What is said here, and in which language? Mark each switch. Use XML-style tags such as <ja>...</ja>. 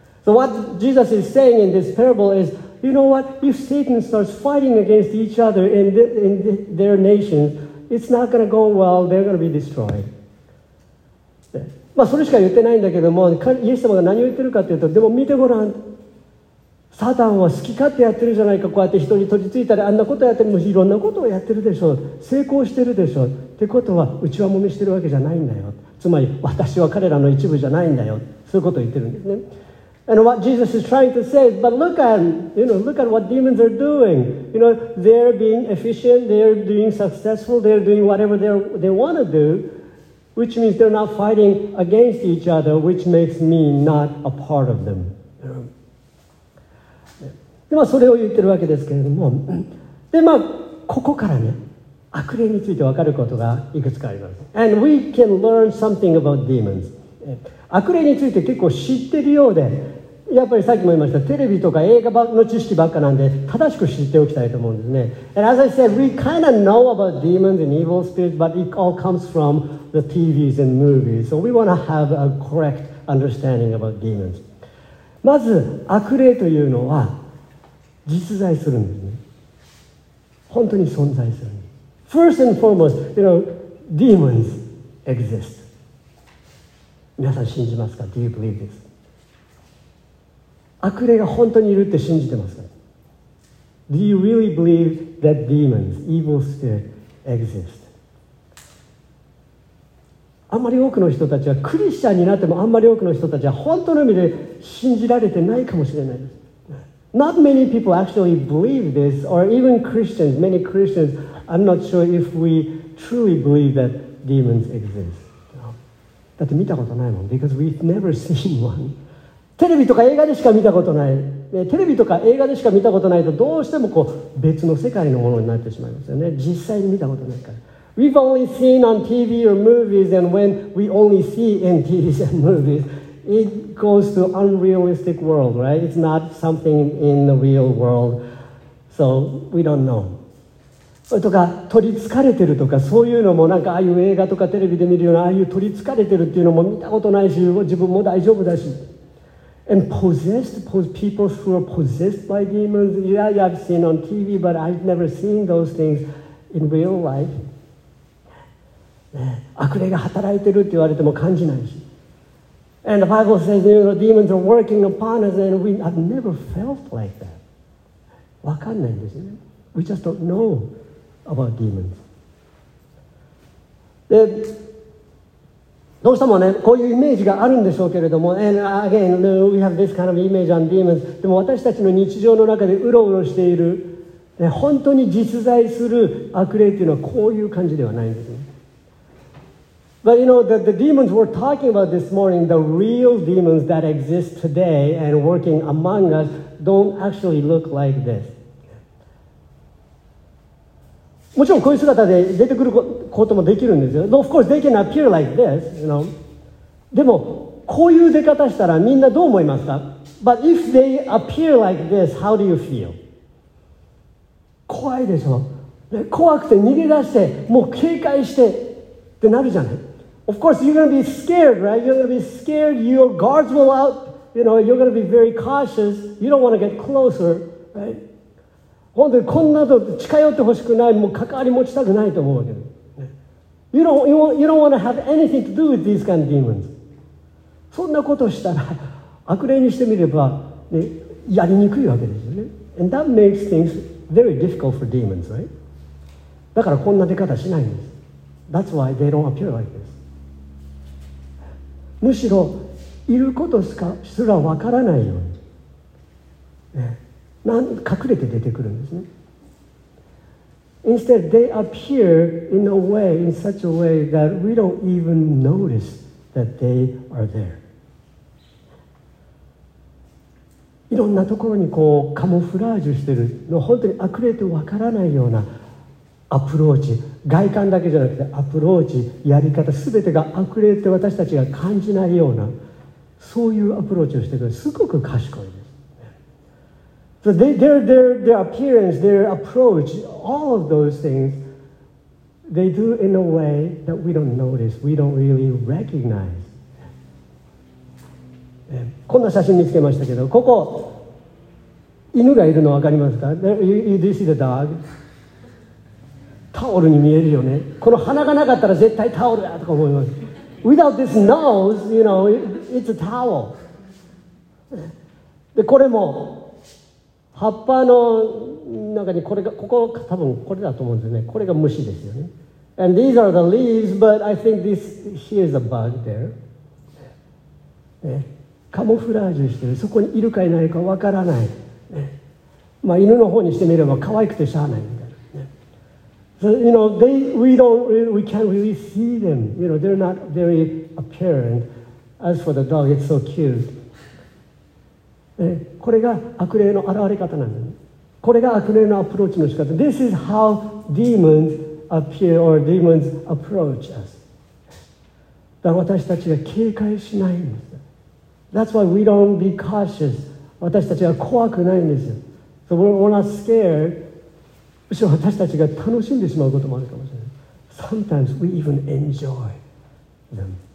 <en>So what Jesus is saying in this parable is, you know what, if Satan starts fighting against each other in their nation, it's not going to go well, they're going to be destroyed。</en> <ja>まあ、それしか言ってないんだけども、イエス様が何を言ってるかというと、でも見てごらん、サタンは好き勝手やってるじゃないか、こうやって人に取り付いたり、あんなことやってるもん、いろんなことをやってるでしょう、成功してるでしょう、ってことは、うちはもめしてるわけじゃないんだよ、つまり私は彼らの一部じゃないんだよ、そういうことを言ってるんですね。</ja> <en>And what Jesus is trying to say, but look at, you know, look at what demons are doing. You know, they're being efficient, they're being successful, they're doing whatever they want to do. Which means they're not fighting against each other, which makes me not a part of them.</en> <ja>で、まあ、それを言ってるわけですけれども、で、まあ、ここからね、悪霊について分かることがいくつかあります。</ja> <en>And we can learn something about demons.</en> <ja>悪霊について結構知ってるようで、やっぱりさっきも言いました、テレビとか映画の知識ばっかなんで、正しく知っておきたいと思うんですね。</ja> <en>And as I said, we kind of know about demons and evil spirits, but it all comes from the TVs and movies. So we want to have a correct understanding about demons.</en> <ja>まず、悪霊というのは実在するんですね。本当に存在するんです。</ja> <en>First and foremost, you know, demons exist.</en> <ja>皆さん信じますか?</ja> <en>Do you believe this?</en> <ja>悪霊が本当にいるって信じてますか?</ja> <en>Do you really believe that demons, evil spirit, exist?</en> <ja>あんまり多くの人たちは、クリスチャンになってもあんまり多くの人たちは本当の意味で信じられてないかもしれないです。</ja> <en>Not many people actually believe this, or even Christians, many Christians, I'm not sure if we truly believe that demons exist.</en> <ja>だって見たことないもん。</ja> <en>Because we've never seen one.</en> <ja>テレビとか映画でしか見たことない、ね、テレビとか映画でしか見たことないと、どうしてもこう別の世界のものになってしまいますよね。実際に見たことないから。</ja> <en>We've only seen on TV or movies, and when we only see in TVs and movies, it goes to unrealistic world, right? It's not something in the real world, so we don't know.</en> <ja>とか取り憑かれてるとか、そういうのもなんか、ああいう映画とかテレビで見るような、ああいう取り憑かれてるっていうのも見たことないし、自分も大丈夫だし。</ja> <en>And possessed, people who are possessed by demons, yeah, I've seen on TV, but I've never seen those things in real life.</en> <ja>悪霊が働いてるって言われても感じないし。</ja> <en>And the Bible says, you know, demons are working upon us, and I've never felt like that.</en> <ja>わかんないんですよね。</ja> <en>We just don't know about demons.</en> <ja>で、どうしてもね、こういうイメージがあるんでしょうけれども、</ja> <en>and again, we have this kind of image on demons.</en> <ja>でも私たちの日常の中でうろうろしている、ね、本当に実在する悪霊というのはこういう感じではないんですね。</ja> <en>But you know, the demons we're talking about this morning, the real demons that exist today and working among us, don't actually look like this.</en> <ja>もちろんこういう姿で出てくることもできるんですよ。</ja> <en>Of course, they can appear like this, you know.</en> <ja>でも、こういう出方したらみんなどう思いますか?</ja> <en>But if they appear like this, how do you feel?</en> <ja>怖いでしょ。怖くて逃げ出して、もう警戒してってなるじゃない。</ja> <en>Of course, you're going to be scared, right? You're going to be scared. Your guards will out. You know, you're going to be very cautious. You don't want to get closer, right?</en> <ja>本当にこんなと近寄ってほしくない。もう関わり持ちたくないと思うわけ。</ja> <en>You don't want to have anything to do with these kind of demons.</en> <ja>そんなことしたら、悪霊にしてみれば、ね、やりにくいわけですよね。</ja> <en>And that makes things very difficult for demons, right?</en> <ja>だからこんな出方しないんです。</ja> <en>That's why they don't appear like this.</en> <ja>むしろいることすらわからないように、ね、隠れて出てくるんですね。</ja> <en>Instead, they appear in a way, in such a way that we don't even notice that they are there.</en> <ja>いろんなところにこうカモフラージュしてるの、本当に隠れてわからないようなアプローチ、外観だけじゃなくてアプローチ、やり方、すべてが悪霊って私たちが感じないような、そういうアプローチをしてくる、すごく賢いです。</ja> <en>So their appearance, their approach, all of those things, they do in a way that we don't notice, we don't really recognize.</en> <ja>こんな写真見つけましたけど、ここ犬がいるの分かりますか?</ja> <en>You do see the dog?</en> <ja>タオルに見えるよね。この鼻がなかったら絶対タオルやとか思います。</ja> <en>Without this nose, you know, it's a towel.</en> <ja>で、これも葉っぱの中にこれが、ここ多分これだと思うんですよね。これが虫ですよね。</ja> <en>And these are the leaves, but I think this here is a bug there.、</en> <ja>ね、カモフラージュしてる。そこにいるかいないかわからない。ね、まあ犬の方にしてみれば可愛くてしゃあない。</ja> <en>So, you know, we can't really see them. You know, they're not very apparent. As for the dog, it's so cute.</en> <ja>これが悪霊の現れ方なんです。これが悪霊のアプローチの仕方。</ja> <en>This is how demons appear or demons approach us.</en> <ja>だから私たちが警戒しないんです。</ja> <en>That's why we don't be cautious.</en> <ja>私たちは怖くないんですよ。</ja> <en>So we're not scared.</en> <ja>むしろ私たちが楽しんでしまうこともあるかもしれない。</ja> <en>Sometimes we even enjoy them.</en>